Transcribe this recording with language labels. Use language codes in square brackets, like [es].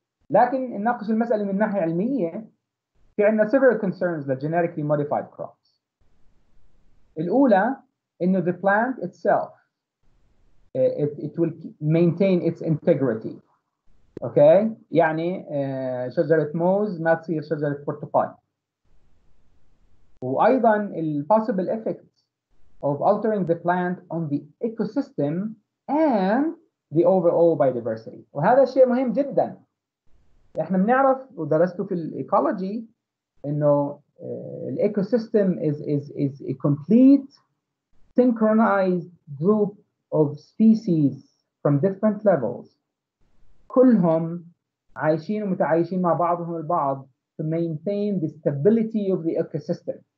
[ar] لكن نناقش المسألة من ناحية علمية. في عندنا [en] several concerns with genetically modified crops. [ar] الأولى إنه [en] the plant itself, it will maintain its integrity. [ar] Okay, يعني شجرة موز ما تصير شجرة برتقال. وأيضا [en] the possible effects of altering the plant on the ecosystem and the overall biodiversity. [ar] وهذا شيء مهم جدا. إحنا بنعرف ودرسته في الإيكولوجي إنه الإيكوسيستم [en] is a complete synchronized group of species from different levels. [ar] كلهم عايشين ومتعايشين مع بعضهم البعض [en] to maintain the stability of the ecosystem.